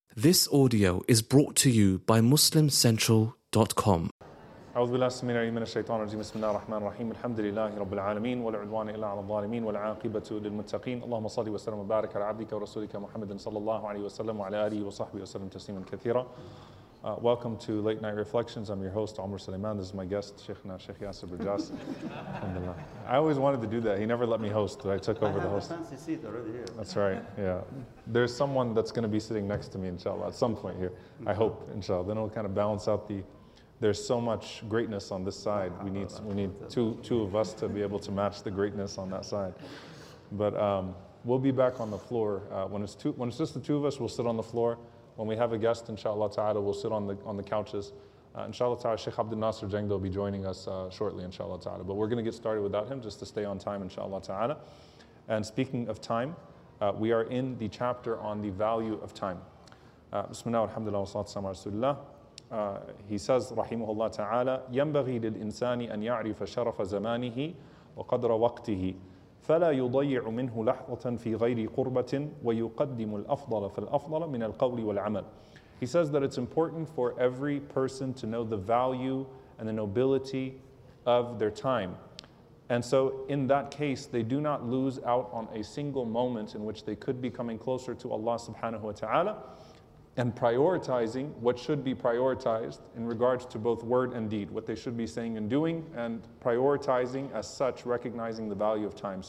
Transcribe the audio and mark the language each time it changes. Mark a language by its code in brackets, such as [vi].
[en] This audio is brought to you by MuslimCentral.com. [ar] أعوذ بالله السميع العليم من الشيطان الرجيم بسم الله الرحمن الرحيم الحمد لله رب العالمين والعدوان إلا على الظالمين والعاقبة للمتقين اللهم صل وسلم وبارك على عبدك ورسولك محمد صلى الله عليه وسلم وعلى آله وصحبه وسلم تسليما كثيرا. [en] Welcome to Late Night Reflections. I'm your host, Omar Suleiman. This is my guest, Sheikhna, Sheikh Yasser Bajas. Alhamdulillah. I always wanted to do that. He never let me host, but I took over the host. I have a fancy seat already here. That's right, yeah. There's someone that's going to be sitting next to me, inshallah, at some point here. I hope, inshallah. Then it'll kind of balance out the... There's so much greatness on this side. We need two of us to be able to match the greatness on that side. But we'll be back on the floor. When it's just the two of us, we'll sit on the floor. When we have a guest, inshallah ta'ala, we'll sit on the couches. Inshallah ta'ala, Sheikh Abdul Nasser Jangda will be joining us shortly, inshallah ta'ala. But we're going to get started without him just to stay on time, inshallah ta'ala. And speaking of time, we are in the chapter on the value of time. [ar] Bismillah, alhamdulillah, wa salatu wa rasulullah. [en] He says, [ar] rahimahullah ta'ala, يَنْبَغِي لِلْإِنسَانِ أَنْ يَعْرِفَ شَرَفَ زَمَانِهِ وَقَدْرَ وَقْتِهِ فلا يضيع منه لحظة في غير قربة ويقدم الأفضل فالأفضل من القول والعمل. [en] He says that it's important for every person to know the value and the nobility of their time. And so in that case, they do not lose out on a single moment in which they could be coming closer to Allah subhanahu wa ta'ala and prioritizing what should be prioritized in regards to both word and deed, what they should be saying and doing, and prioritizing as such, recognizing the value of time.